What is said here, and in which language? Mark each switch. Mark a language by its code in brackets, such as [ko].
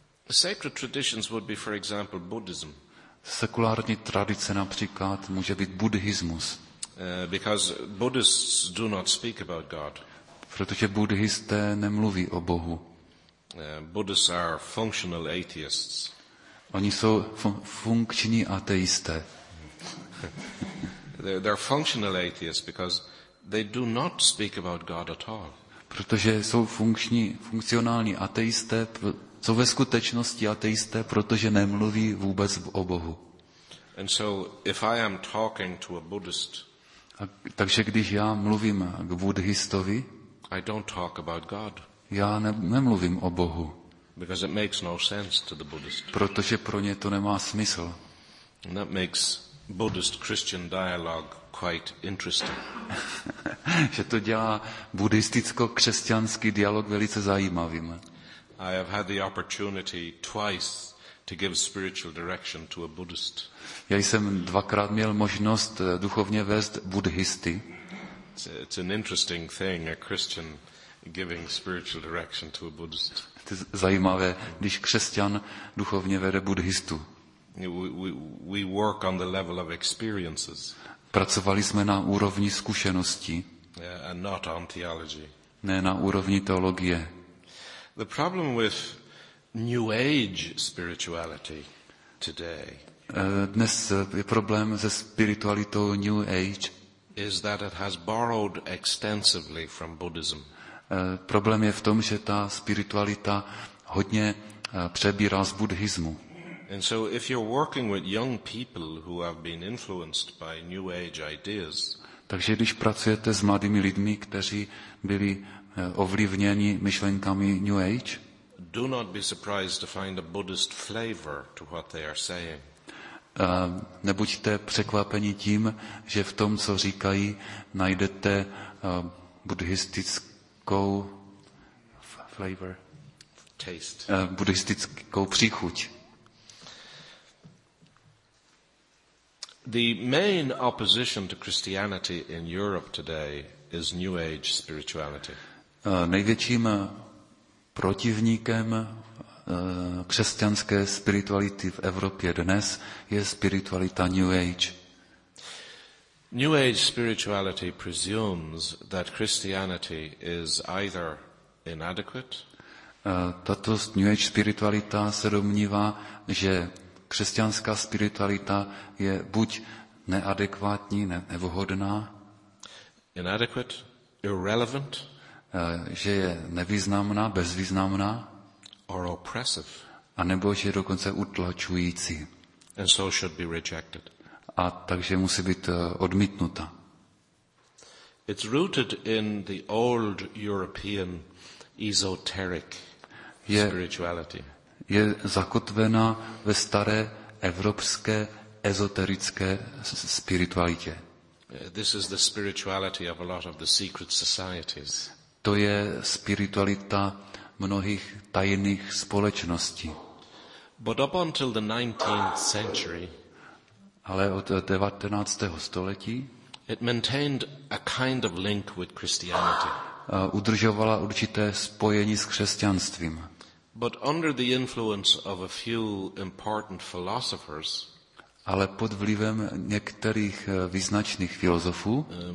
[en] Sacred traditions would be, for example, Buddhism. [cs] Sekulární tradice například může být buddhismus. [en] Because Buddhists do not speak about God. [cs] Protože buddhisté nemluví o Bohu. [en] Buddhists are functional atheists. [cs] Oni jsou funkční ateisté. [en] They're functional atheists because they do not speak about God at all. [cs] Protože jsou funkcionální ateisté, jsou ve skutečnosti ateisté, protože nemluví vůbec o Bohu. [en] And so if I am talking to a Buddhist, [cs] takže když já mluvím k buddhistovi, [en] I don't talk about God. [cs] Já nemluvím o Bohu. [en] Because it makes no sense to the Buddhist. [cs] Protože pro ně to nemá smysl. [en] And that makes Buddhist-Christian dialogue quite interesting. [cs] Že to dělá buddhisticko-křesťanský dialog velice zajímavým. [en] I have had the opportunity twice to give spiritual direction to a Buddhist. [cs] Já jsem dvakrát měl možnost duchovně vést buddhisty. [en] It's an interesting thing, a Christian giving spiritual direction to a Buddhist. [cs] To je zajímavé, když křesťan duchovně vede buddhistu. [en] We work on the level of experiences. [cs] Pracovali jsme na úrovni zkušeností. [en] And not on theology. [cs] Ne na úrovni teologie. [en] The problem with New Age spirituality today. [cs] Dnes je problém se spiritualitou New Age. [en] Is that it has borrowed extensively from Buddhism. [cs] Problém je v tom, že ta spiritualita hodně přebírá z buddhismu. [en] And so if you're working with young people who have been influenced by New Age ideas. [cs] Takže když pracujete s mladými lidmi, kteří byli ovlivněni myšlenkami New Age, [en] do not be surprised to find a Buddhist flavor to what they are saying. [cs] Nebuďte překvapeni tím, že v tom, co říkají, najdete buddhistickou [en] flavor, taste. [cs] Buddhistickou příchuť. [en] The main opposition to Christianity in Europe today is New Age spirituality. [cs] Největším protivníkem křesťanské spirituality v Evropě dnes je spiritualita New Age. [en] New Age spirituality presumes that Christianity is either inadequate. [cs] Tato New Age spiritualita se domnívá, že křesťanská spiritualita je buď neadekvátní, nevhodná, [en] inadequate, irrelevant, [cs] že je nevýznamná, bezvýznamná, [en] or oppressive, [cs] a nebo že je dokonce utlačující. [en] And so should be rejected. [cs] A takže musí být odmítnuta. [en] It's rooted in the old European esoteric spirituality. [cs] Je zakotvena ve staré evropské ezoterické spiritualitě. [en] This is the spirituality of a lot of the secret societies. [cs] To je spiritualita mnohých tajných společností. [en] But up until the 19th century, [cs] ale od 19. století, [en] it maintained a kind of link with Christianity. [cs] Udržovala určité spojení s křesťanstvím. [en] But under the influence of a few important philosophers, [cs] ale pod vlivem některých význačných filozofů,